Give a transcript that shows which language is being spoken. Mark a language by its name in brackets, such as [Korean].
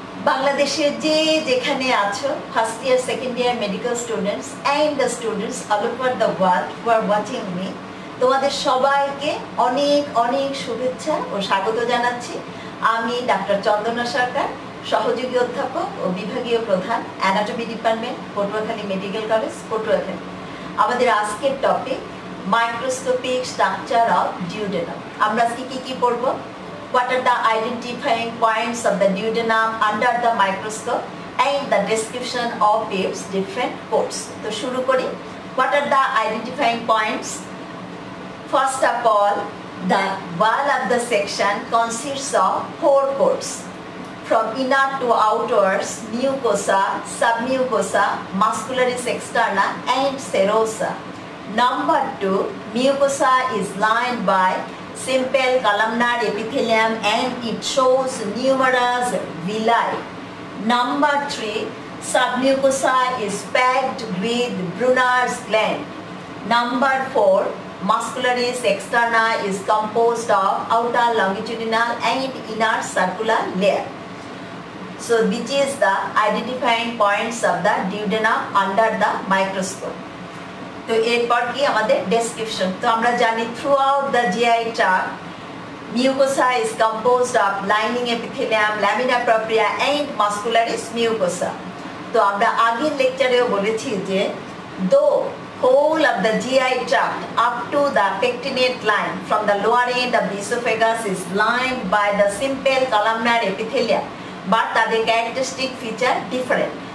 [Bangla] বাংলাদেশে যে যেখানে আছো [English] first year second year medical students and the students all over the world who are watching me, [Bangla] তোমাদের সবাইকে অনেক অনেক শুভেচ্ছা ও স্বাগত জানাচ্ছি। আমি ডাক্তার চন্দনা সরকার, সহযোগী অধ্যাপক ও বিভাগীয় প্রধান anatomy department, Patuakhali medical college, Patuakhali. আমাদের আজকের [English] Topic microscopic structure of duodenum. [Bangla] আমরা আজকে কী কী পড়বো, [English] what are the identifying points of the duodenum under the microscope and the description of its different pores. [Bangla] To shuru kori, [English] what are the identifying points? First of all, the wall of the section consists of four pores, from inner to outers, mucosa, submucosa, muscularis externa and serosa. Number two, mucosa is lined by simple columnar epithelium and it shows numerous villi. Number three, submucosa is packed with Brunner's gland. Number four, muscularis externa is composed of outer longitudinal and inner circular layer. So which is the identifying points of the duodenum under the microscope? [Bangla] তো এরপর কি আমাদের description. তো আমরা জানি [English] Throughout the GI tract mucosa is composed of lining epithelium, lamina propria and muscularis mucosa. [Bangla] তো আমরা আগের লেকচারেও বলেছি যে [English] Though whole of the GI tract up to the pectinate line from the lower end of the oesophagus is line by the simple columnar epithelium, but তাদের characteristic feature different.